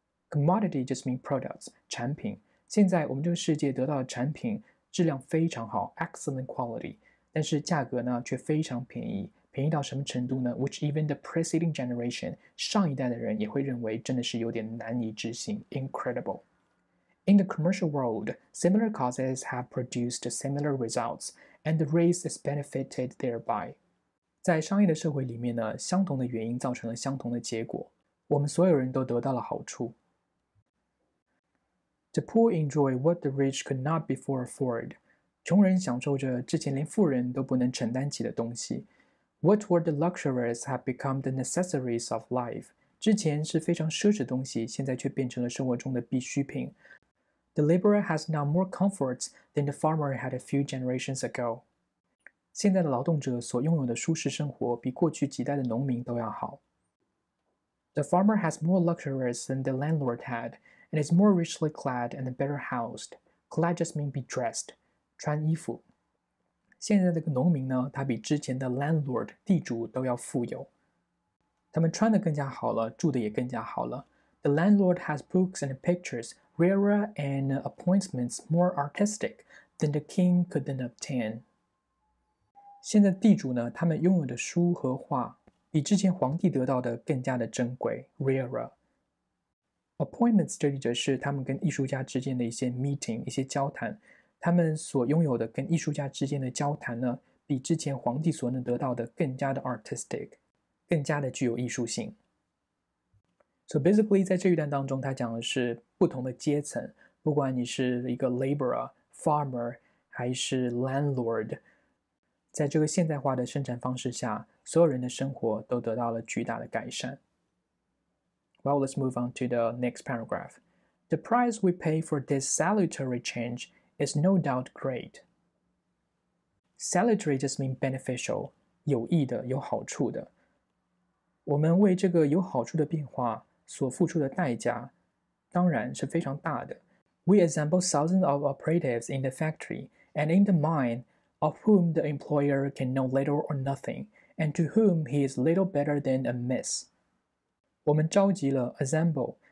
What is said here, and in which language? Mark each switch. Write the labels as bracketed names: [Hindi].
[Chinese] Commodity just means products, 产品。现在我们这个世界得到的产品质量非常好 excellent quality, 但是价格呢却非常便宜，便宜到什么程度呢 which even the preceding generation, 上一代的人也会认为真的是有点难以置信 incredible. [English] In the commercial world, similar causes have produced similar results, and the race is benefited thereby. [Chinese] 在商业的社会里面呢，相同的原因造成了相同的结果，我们所有人都得到了好处。 [English] The poor enjoy what the rich could not before afford. [Chinese] 穷人享受着之前连富人都不能承担起的东西。 [English] What were the luxuries have become the necessaries of life? [Chinese] 之前是非常奢侈的东西，现在却变成了生活中的必需品。 [English] The laborer has now more comforts than the farmer had a few generations ago. [Chinese] 现在的劳动者所拥有的舒适生活比过去几代的农民都要好。 [English] The farmer has more luxuries than the landlord had. And is more richly clad and better housed. [Chinese] Clad just means be dressed, 穿衣服。现在的农民呢，他比之前的 landlord 地主都要富有。他们穿得更加好了，住得也更加好了。 [English] The landlord has books and pictures, rarer and appointments more artistic than the king could then obtain. [Chinese] 现在地主呢，他们拥有的书和画比之前皇帝得到的更加的珍贵 ，rarer. Appointments 这里则是他们跟艺术家之间的一些 meeting, 一些交谈。他们所拥有的跟艺术家之间的交谈呢，比之前皇帝所能得到的更加的 artistic, 更加的具有艺术性。 So basically, 在这一段当中，他讲的是不同的阶层，不管你是一个 laborer, farmer, 还是 landlord, 在这个现代化的生产方式下，所有人的生活都得到了巨大的改善。 [English] Well, let's move on to the next paragraph. The price we pay for this salutary change is no doubt great. Salutary just means beneficial, 有益的、有好处的。 [Chinese] 我们为这个有好处的变化所付出的代价当然是非常大的。 [English] We assemble thousands of operatives in the factory and in the mine, of whom the employer can know little or nothing, and to whom he is little better than a miss. 我们召集了 assemble,